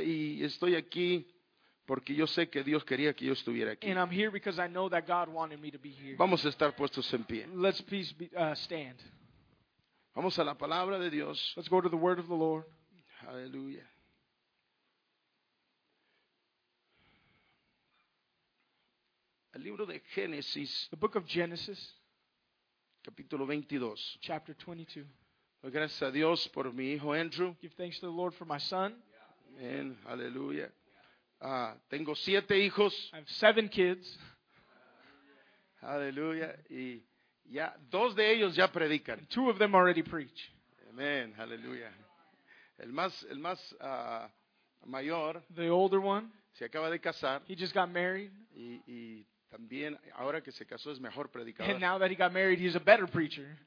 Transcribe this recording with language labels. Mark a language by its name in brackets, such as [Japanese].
[Spanish] Y estoy aquí porque yo sé que Dios quería que yo estuviera aquí. [English] And I'm here because I know that God wanted me to be here. [Spanish] Vamos a estar puestos en pie. [English] Let's please be, stand. [Spanish] Vamos a la palabra de Dios. [English] Let's go to the word of the Lord. [Spanish] Aleluya. El libro de Génesis. [English] The book of Genesis. [Spanish] Capítulo 22. [English] Chapter 22. [Spanish] Doy gracias a Dios por mi hijo Andrew. [English] Give thanks to the Lord for my son. [Spanish] Amen. Aleluya. Tengo 7 hijos. [English] I have 7 kids. [Spanish] Aleluya. Y ya 2 de ellos ya predican. And [English] 2 of them already preach. [Spanish] Amen. Aleluya. El más mayor. [English] The older one. [Spanish] Se acaba de casar. [English] He just got married. [Spanish] Y también ahora que se casó es mejor predicador. [English] And now that he got married, he's a better preacher.